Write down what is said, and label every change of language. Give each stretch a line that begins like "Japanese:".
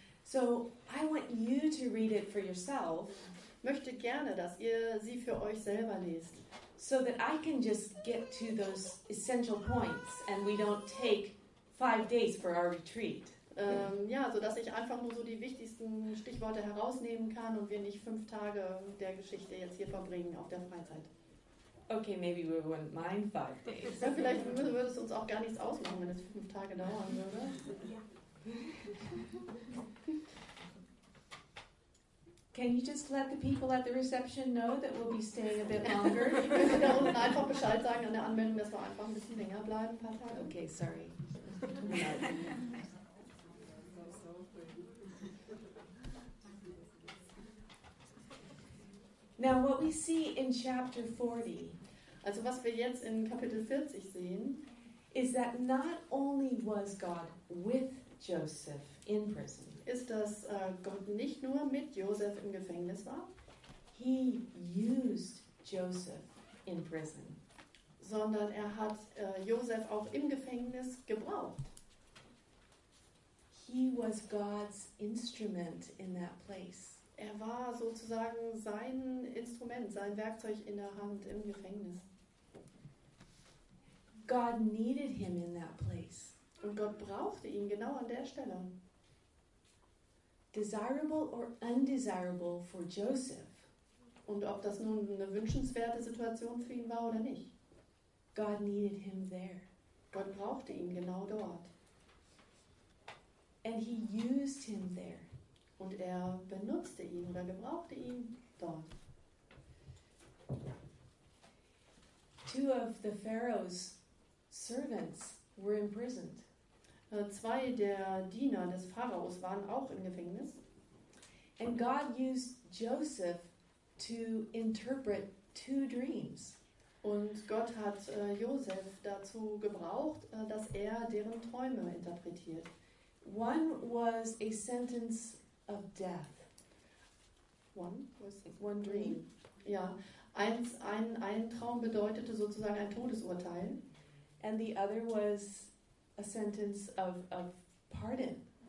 English: So I want you to read it for yourself.
German: Möchte gerne, dass ihr sie für euch selber lest.
English: So that I can just get to those essential points and we don't take 5 days for our retreat.
German: Ja, so dass ich einfach nur so die wichtigsten Stichworte herausnehmen kann und wir nicht 5 Tage der Geschichte jetzt hier verbringen auf der Freizeit.
English: Okay, maybe we wouldn't mind 5 days.
German: Ja, vielleicht würde es uns auch gar nichts ausmachen, wenn es 5 Tage dauern würde.
English: Can you just let the people at the reception know that we'll be staying a bit longer?
German: Können Sie da unten einfach Bescheid sagen an der Anmeldung, dass wir einfach ein bisschen länger bleiben, ein paar Tage?
English: Okay, sorry. Now what we see in chapter 40,
German: also was wir jetzt in Kapitel 40 sehen,
English: is that not only was God with Joseph in prison,
German: ist, dass Gott nicht nur mit Joseph im Gefängnis war,
English: he used Joseph in prison,
German: sondern er hat Joseph auch im Gefängnis gebraucht.
English: He was God's instrument in that place.
German: Er war sozusagen sein Instrument, sein Werkzeug in der Hand im Gefängnis.
English: God needed him in that place.
German: Und Gott brauchte ihn genau an der Stelle.
English: Desirable or undesirable for Joseph.
German: Und ob das nun eine wünschenswerte Situation für ihn war oder nicht.
English: God needed him there.
German: Gott brauchte ihn genau dort.
English: And he used him there.
German: Und er benutzte ihn oder gebrauchte ihn dort.
English: Two of the Pharaoh's servants were imprisoned.
German: Zwei der Diener des Pharaos waren auch im Gefängnis.
English: And God used Joseph to interpret 2 dreams.
German: Und Gott hat Joseph dazu gebraucht, dass er deren Träume interpretiert.
English: One was a sentence of death. One was one dream.
German: Ja, ein Traum bedeutete sozusagen ein Todesurteil.
English: And the other was a sentence of pardon.